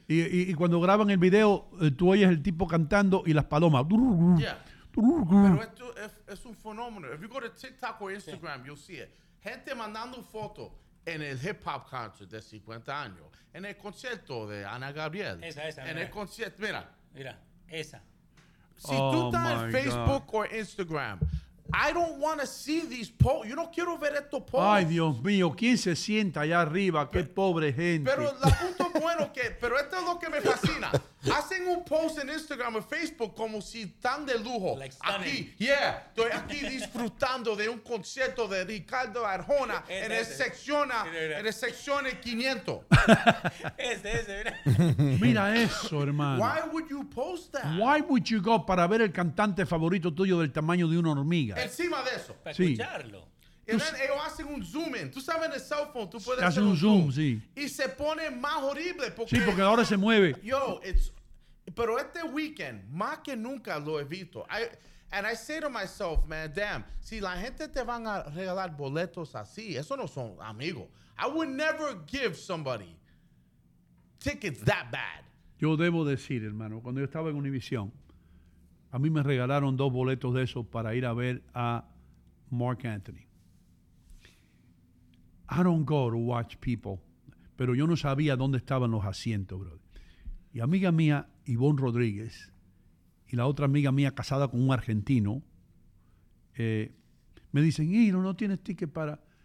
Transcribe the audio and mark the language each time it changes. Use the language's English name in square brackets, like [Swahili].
[Spanish] Y cuando graban el video, tú oyes el tipo cantando y las palomas. [English] Yeah. [Spanish] Pero esto es un fenómeno. [English] If you go to TikTok or Instagram, yeah. you'll see it. [Spanish] Gente mandando fotos en el hip hop concert de 50 años, en el concierto de Ana Gabriel. Esa, en mira. El concierto, mira. Mira, esa. [English] Si oh, tú estás en Facebook God. Or Instagram, I don't want to see these posts. [Spanish] Yo no quiero ver estos posts. Ay, Dios mío, ¿quién se sienta allá arriba? Qué pobre gente. Pero el punto bueno que, pero esto es lo que me fascina. Hacen un post en Instagram o Facebook como si están de lujo. [English] Like stunning. [Spanish] Aquí, yeah, estoy aquí disfrutando de un concierto de Ricardo Arjona en el sección 500. Ese, mira. Mira eso, hermano. [English] Why would you post that? Why would you go [Spanish] para ver el cantante favorito tuyo del tamaño de una hormiga? Encima de eso. Para sí. escucharlo. Y ven, ellos hacen un zoom in. Tú sabes, en el cell phone, tú puedes hacer un zoom, sí. Y se pone más horrible. Porque, sí, porque ahora se mueve. Yo, it's, pero este weekend, más que nunca lo evito. [English] And I say to myself, man, damn, [Spanish] si la gente te van a regalar boletos así, eso no son amigos. [English] I would never give somebody tickets that bad. [Spanish] Yo debo decir, hermano, cuando yo estaba en Univision, a mí me regalaron dos boletos de esos para ir a ver a Mark Anthony. [English] I don't go to watch people. [Spanish] Pero yo no sabía dónde estaban los asientos, brother. Y amiga mía, Ivonne Rodríguez, y la otra amiga mía casada con un argentino, me dicen, Ino, no tienes ticket para...